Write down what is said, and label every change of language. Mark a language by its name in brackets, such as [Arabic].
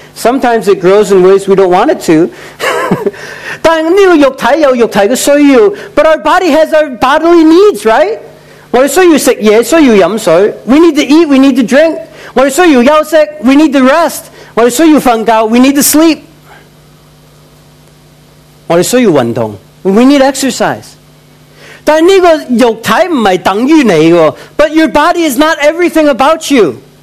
[English] sometimes it grows in ways we don't want it to. [Chinese] 但这个肉体有肉体的需要, [English] but our body has our bodily needs, right? [Chinese] 我们需要吃东西，需要喝水。 [English] We need to eat, we need to drink. [Chinese] 我们需要休息, [English] we need to rest. [Chinese] 我们需要睡觉, [English] we need to sleep. [Chinese] 我们需要运动, [English] we need exercise. [Chinese] 但这个肉体不是等于你的, [English] but your body is not everything about you.